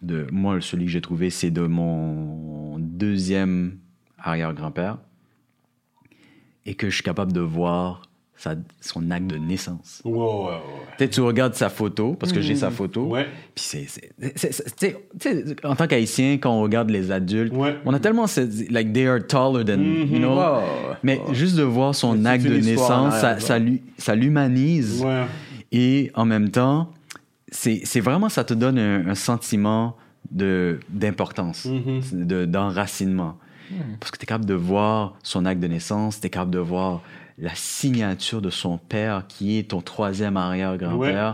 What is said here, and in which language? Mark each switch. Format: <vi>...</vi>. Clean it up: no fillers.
<fr>Moi, celui que j'ai trouvé, c'est de mon deuxième arrière-grand-père. Et que je suis capable de voir sa, son acte de naissance. Ouais, ouais, ouais. T'sais, tu regardes sa photo, parce que j'ai sa photo. Ouais. Puis c'est, t'sais, en tant qu'Haïtien, quand on regarde les adultes, ouais, on a tellement cette,</fr> <en>like, they are taller than, you know.</en> <fr>Wow. Mais wow, juste de voir son c'est acte de naissance, ça, ça, lui, ça l'humanise. Ouais. Et en même temps, c'est vraiment, ça te donne un sentiment de, d'importance, de, d'enracinement. Parce que t'es capable de voir son acte de naissance, t'es capable de voir la signature de son père qui est ton troisième arrière-grand-père,</fr>